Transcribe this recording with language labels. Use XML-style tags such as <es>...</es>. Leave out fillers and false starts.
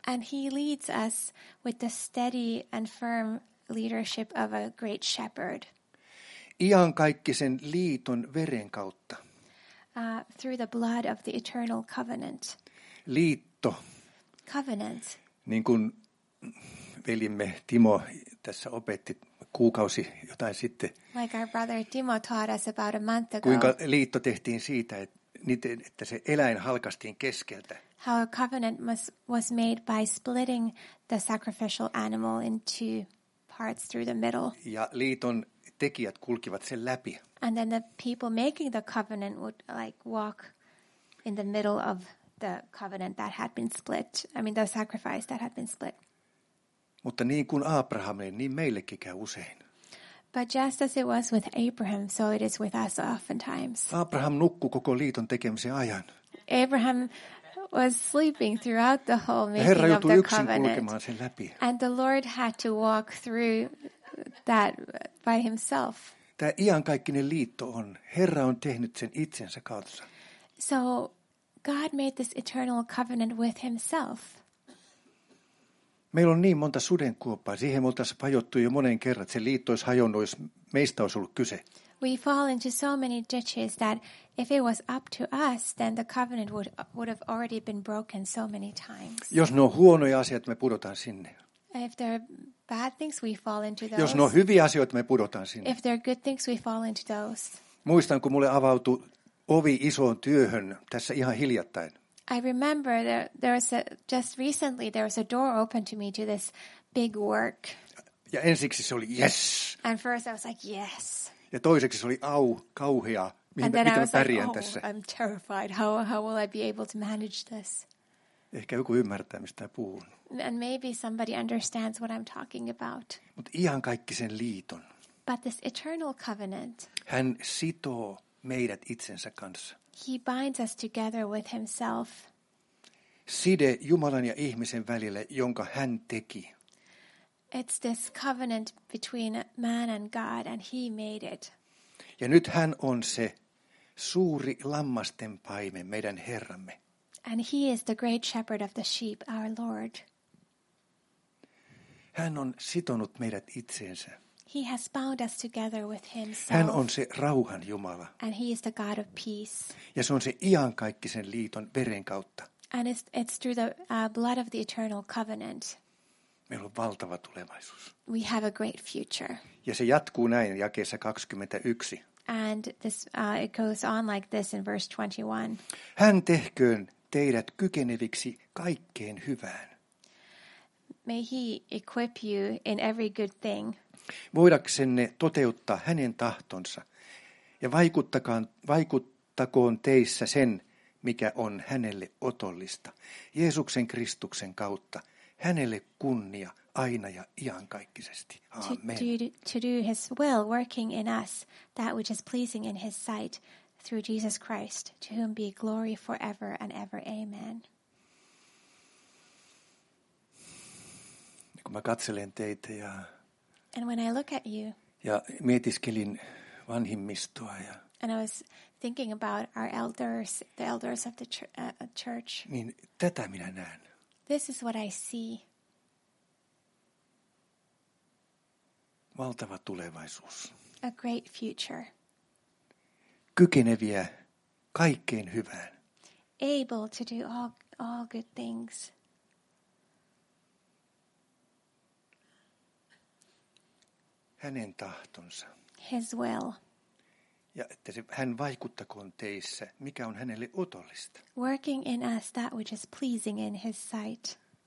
<en>And he leads us with the steady and firm leadership of a great shepherd.</en> <fi>Iankaikkisen liiton veren kautta.</fi> <en>Through the blood of the eternal covenant.</en> <fi>Liitto.</fi> <en>Covenant.</en> <fi>Niin kuin veljimme Timo tässä opetti kuukausi jotain sitten.</fi> <en>Like our brother Timo taught us about a month ago.</en> <fi>Kuinka liitto tehtiin siitä, että se eläin halkastiin keskeltä.</fi> <en>How a covenant was made by splitting the sacrificial animal in two parts through the middle.</en> <fi>Ja liiton tekijät kulkivat sen läpi.</fi> <en>And then the people making the covenant would like walk in the middle of the covenant that had been split. I mean the sacrifice that had been split.</en> <fi>Mutta niin kuin Abrahamille, niin meillekin käy usein.</fi> <en>But just as it was with Abraham, so it is with us oftentimes.</en> <fi>Abraham nukkui koko liiton tekemisen ajan.</fi> <en>Abraham was sleeping throughout the whole making</en> <fi>Herra</fi> <en>of the covenant.</en> <fi>Kulkemaan sen läpi.</fi> <en>And the Lord had to walk through that by himself.</en> <fi>Tämä iankaikkinen liitto on. Herra on tehnyt sen itsensä kautta.</fi> <en>So God made this eternal covenant with himself.</en> <fi>Meillä on niin monta sudenkuoppaa. Siihen me oltaisiin hajottu jo monen kerran. Se liitto olisi hajonnut, jos meistä olisi ollut kyse.</fi> <en>We fall into so many ditches that if it was up to us, then the covenant would have already been broken so many times.</en> <fi>Jos ne on huonoja asioita, me pudotaan sinne.</fi> <en>If there are bad things, we fall into those.</en> <fi>Jos ne on hyviä asioita, me pudotaan sinne.</fi> <en>If there are good things, we fall into those.</en> <fi>Muistan, kun mulle avautui ovi isoon työhön tässä ihan hiljattain.</fi> <en>I remember there was just recently a door open to me to this big work.</en> <fi>Ja ensiksi se oli yes.</fi> <en>And first I was like yes.</en> <fi>Ja toiseksi se oli au kauhea, miten mä pärjään tässä.</fi> <en>I'm terrified. How will I be able to manage this?</en> <fi>Ehkä joku ymmärtää mistä puhun.</fi> <en>And maybe somebody understands what I'm talking about.</en> <fi>Mut ihan kaikki sen liiton.</fi> <en>But this eternal covenant.</en> <fi>Hän sitoo meidät itsensä kanssa.</fi> <en>He binds us together with himself.</en> <fi>Side Jumalan ja ihmisen välille, jonka hän teki.</fi> <en>It's this covenant between man and God, and he made it.</en> <fi>Ja nyt hän on se suuri lammasten paimen, meidän Herramme.</fi> <en>And he is the great shepherd of the sheep, our Lord.</en> <fi>Hän on sitonut meidät itseensä.</fi> <en>He has bound us together with himself.</en> <fi>Hän on se rauhan Jumala.</fi> <en>And he is the God of peace.</en> <fi>Ja se on se iankaikkisen liiton veren kautta.</fi> <en>And it's through the blood of the eternal covenant.</en> <fi>Meillä on valtava tulevaisuus.</fi> <en>We have a great future.</en> <fi>Ja se jatkuu näin jakeessa 21.</fi> <en>And this it goes on like this in verse 21.</en> <fi>Hän tehköön teidät kykeneviksi kaikkeen hyvään.</fi> <en>May he equip you in every good thing.</en> <fi>Voidaksenne toteuttaa hänen tahtonsa ja vaikuttakoon teissä sen, mikä on hänelle otollista. Jeesuksen Kristuksen kautta hänelle kunnia aina ja iankaikkisesti. Amen.</fi> <en>To do his will, working in us, that which is pleasing in his sight, through Jesus Christ, to whom be glory forever and ever. Amen.</en> <fi>Kun mä katselen teitä ja</fi> <en>and when I look at you,</en> <fi>ja mietiskelin vanhimmistoa ja</fi> <en>and I was thinking about our elders, the elders of the church.</en> <fi>Niin tätä minä näen.</fi> <en>This is what I see.</en> <fi>Valtava tulevaisuus.</fi> <en>A great future.</en> <fi>Kykeneviä kaikkeen hyvään.</fi> <en>Able to do all good things.</en> <fi>Hänen tahtonsa.</fi> <en>His will.</en> <fi>Ja että hän vaikuttakoon teissä, mikä on hänelle otollista.</fi> <en>Working in us that which is pleasing in his sight.</en>